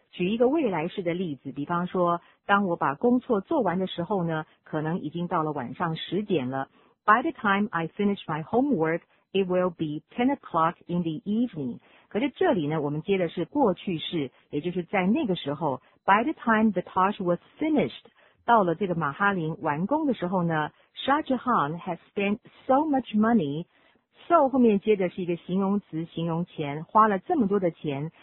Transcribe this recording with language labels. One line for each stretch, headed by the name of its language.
Chinese: 举一个未来式的例子，比方说，当我把工作做完的时候呢，可能已经到了晚上十点了。
English: By the time I finish my homework, it will be 10 o'clock in the evening.
Chinese: 可是这里呢，我们接的是过去式，也就是在那个时候。
English: By the time the Taj was finished.
Chinese: 到了这个马哈林完工的时候呢
English: Shah Jahan has spent so much money.
Chinese: So 后面接的是一个形容词形容钱花了这么多的钱。